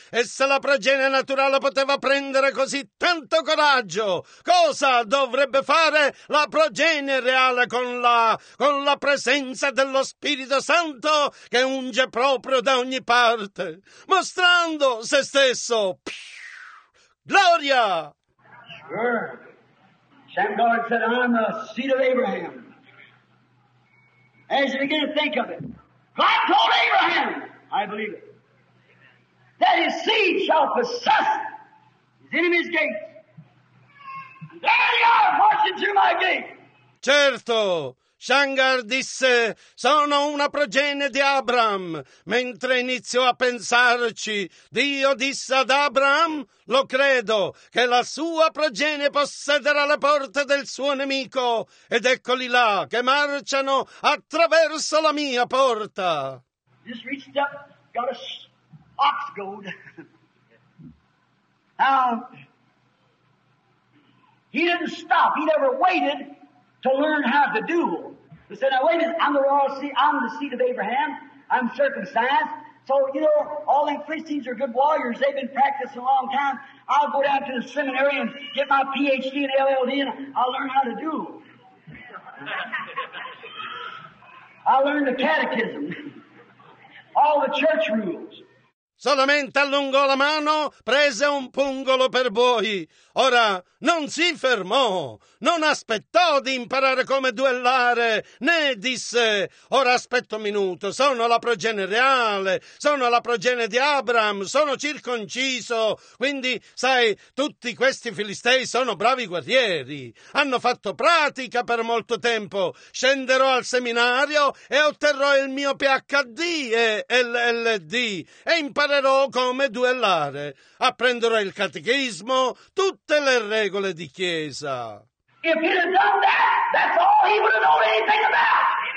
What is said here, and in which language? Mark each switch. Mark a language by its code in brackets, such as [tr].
[it] E se la progenie naturale poteva prendere così tanto coraggio, cosa dovrebbe fare la progenie reale con la presenza dello Spirito Santo che unge proprio da ogni parte, mostrando se stesso? Gloria! [en] Sure. Shamgar said, I'm the seed of Abraham. As you begin to think of it, God told Abraham, I believe it, that his seed shall possess his enemy's gates. And there they are, marching through my gate. [it] Certo. Shamgar disse, sono una progenie di Abraham. Mentre iniziò a pensarci, Dio disse ad Abraham, lo credo, che la sua progenie possederà le porte del suo nemico. Ed eccoli là, che marciano attraverso la mia porta. [en] Just reached up, got a ox goad. Now, he didn't stop. He never waited to learn how to do. He said, now wait a minute, I'm the royal seed, I'm the seed of Abraham, I'm circumcised. So, you know, all the Philistines are good warriors, they've been practicing a long time. I'll go down to the seminary and get my PhD and LLD and I'll learn how to do. I'll learn the catechism, all the church rules. [it] Solamente allungò la mano, prese un pungolo per buoi. Ora, non si fermò, non aspettò di imparare come duellare, né disse, ora aspetto un minuto, sono la progenie reale, sono la progenie di Abraham, sono circonciso, quindi, sai, tutti questi filistei sono bravi guerrieri, hanno fatto pratica per molto tempo, scenderò al seminario e otterrò il mio PhD e LLD e imparerò come duellare, apprenderò il catechismo, tutte le regole di chiesa. [en] If he'd have done that, that's all he would have known anything about.